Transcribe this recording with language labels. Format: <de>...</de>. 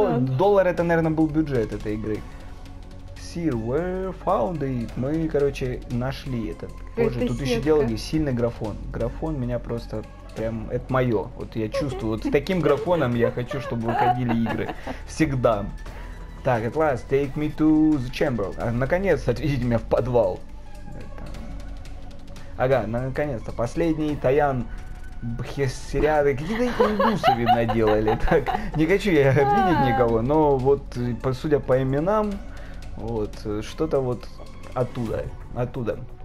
<ru>Доллар это, наверное, был бюджет этой игры.</ru> <en>Sir, we found it.</en> <ru>Мы, короче, нашли этот. Боже, это тут сетка. Еще делали сильный графон. Графон меня просто прям... Это мое. Вот я чувствую. Вот с таким графоном я хочу, чтобы выходили игры. Всегда. Так,</ru> <en>at last, take me to the chamber.</en> <ru>Наконец-то отведите меня в подвал. Это... Ага, наконец-то. Последний Таян Бхесериады. Какие-то индусы, видно, делали. Так, не хочу я обидеть никого, но вот, судя по именам, вот, что-то вот оттуда. Оттуда.</ru>